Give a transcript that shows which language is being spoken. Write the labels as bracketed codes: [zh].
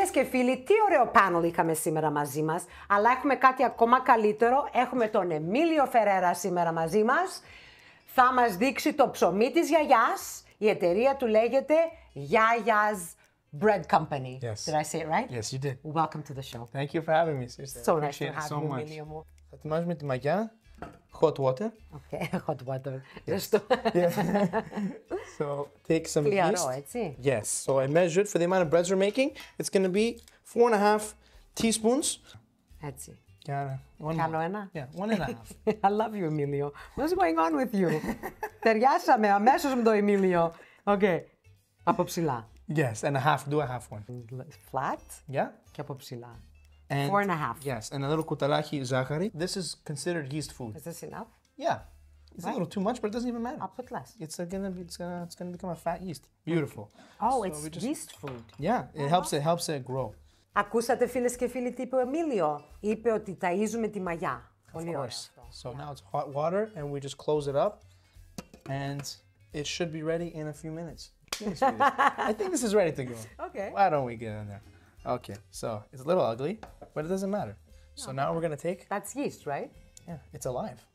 [el] Φίλοι, τι ωραίο πάνελ είχαμε σήμερα μαζί μας, αλλά έχουμε κάτι ακόμα καλύτερο. Έχουμε τον Εμίλιο Φερέρα σήμερα μαζί μας. Θα μας δείξει το ψωμί της γιαγιάς. Η εταιρεία του λέγεται Yaya's Bread Company. [en] Yes. Did I say it right? Yes, you did. Welcome to the show. Thank you for having me, sister. So nice to have you, Εμίλιο μου. [el] Θα ετοιμάζουμε τη μαγιά. [en] Hot water. Okay, hot water. Yes. So take some yeast. Yes. So I measured for the amount of breads we're making. It's going to be 4.5 teaspoons. [el] Έτσι. Άρα, κάνω ένα. [en] Yeah, 1.5. I love you, Emilio. What's going on with you? [el] Ταιριάσαμε αμέσως με το Emilio. Okay. Από ψηλά. [en] Yes, and a half. Do a half one. Flat. Yeah. [el] Και από ψηλά. [en] And 4.5. Yes, and a little [el] kutalachi zahari. [en] This is considered yeast food. Is this enough? Yeah. It's right. A little too much, but it doesn't even matter. I'll put less. It's gonna become a fat yeast. Beautiful. Okay. Oh, so it's just, yeast food. Yeah, it helps it grow. [el] Ακούσατε φίλες και φίλοι τι είπε ο Εμίλιο. Είπε ότι ταΐζουμε τη μαγιά. Πολύ ωραία. [en] So yeah. Now it's hot water and we just close it up and it should be ready in a few minutes. I think this is ready to go. Okay. Why don't we get in there? Okay, so it's a little ugly, but it doesn't matter. No. So now we're gonna take... That's yeast, right? Yeah, it's alive.